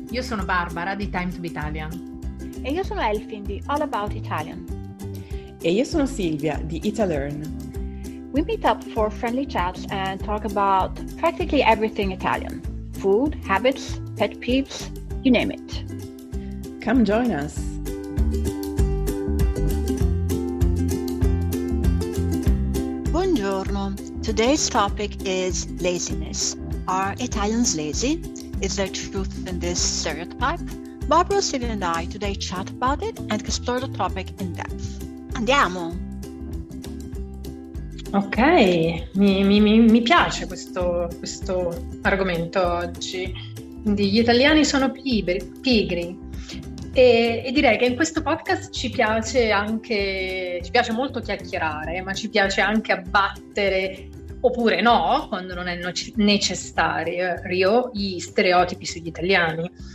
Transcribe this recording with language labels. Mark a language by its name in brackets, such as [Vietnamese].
[Italian] Io sono Barbara di Time to be Italian. E io sono Elfin di All About Italian. E io sono Silvia di Italearn. [English] We meet up for friendly chats and talk about practically everything Italian. Food, habits, pet peeves, you name it. Come join us. [Italian] Buongiorno. [English] Today's topic is laziness. Are Italians lazy? Is there truth in this stereotype? Barbara, Silvia and I today chat about it and explore the topic in depth. [Italian] Andiamo! Ok, mi piace questo argomento oggi. Quindi gli italiani sono pigri. E direi che in questo podcast ci piace molto chiacchierare, ma ci piace anche abbattere, oppure no, quando non è necessario, gli stereotipi sugli italiani.